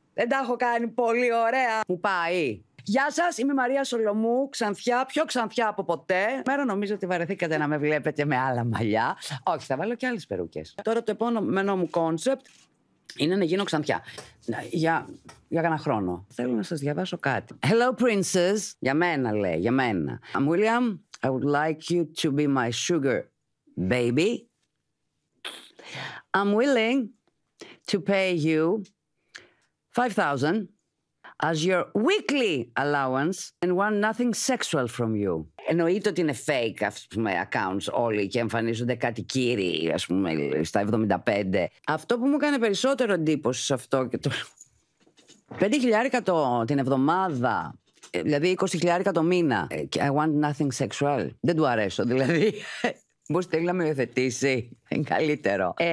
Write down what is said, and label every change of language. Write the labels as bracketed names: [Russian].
[Greek] Δεν τα έχω κάνει πολύ ωραία. Μου πάει. Γεια σας, είμαι Μαρία Σολομού, ξανθιά, πιο ξανθιά από ποτέ. Μέρα νομίζω ότι βαρεθήκατε να με βλέπετε με άλλα μαλλιά. Όχι, θα βάλω και άλλες περούκες. Τώρα το επόμενο μου κόνσεπτ είναι να γίνω ξανθιά. Για κανένα χρόνο. Θέλω να σας διαβάσω κάτι. [English] Hello princess. [Greek] Για μένα λέει, για μένα. [English] I'm William, I would like you to be my sugar baby. I'm willing to pay you 5,000 as your weekly allowance and want nothing sexual from you. [Greek] Εννοείται ότι είναι fake, ας πούμε, accounts όλοι και εμφανίζονται κάτι κύριοι, ας πούμε, στα 75. Αυτό που μου κάνει περισσότερο εντύπωση σε αυτό και το... 5 χιλιάρικα την εβδομάδα, δηλαδή 20 χιλιάρικα το μήνα. [English] I want nothing sexual. [Greek] Δεν του αρέσω, δηλαδή. Μπορείς θέλει να με υιοθετήσει. Είναι καλύτερο.